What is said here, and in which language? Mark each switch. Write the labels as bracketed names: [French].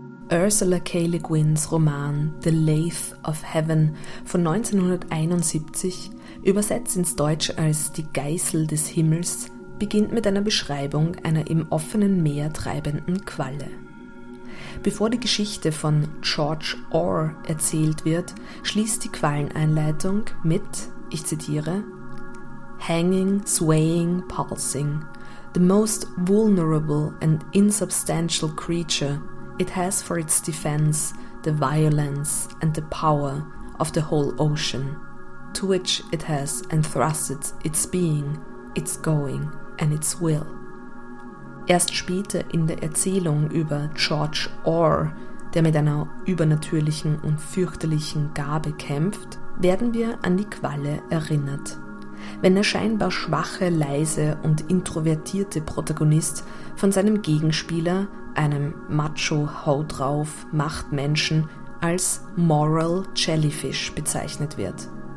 [German] Ursula K. Le Guins Roman The Lathe of Heaven von 1971, übersetzt ins Deutsch als Die Geißel des Himmels, beginnt mit einer Beschreibung einer im offenen Meer treibenden Qualle. Bevor die Geschichte von George Orr erzählt wird, schließt die Qualleneinleitung mit, ich zitiere, [English] Hanging, swaying, pulsing, the most vulnerable and insubstantial creature, it has for its defense the violence and the power of the whole ocean, to which it has entrusted its being, its going and its will. [German] Erst später in der Erzählung über George Orr, der mit einer übernatürlichen und fürchterlichen Gabe kämpft, werden wir an die Qualle erinnert. Wenn der scheinbar schwache, leise und introvertierte Protagonist von seinem Gegenspieler, einem Macho-Haut-drauf-Machtmenschen, als Moral Jellyfish bezeichnet wird.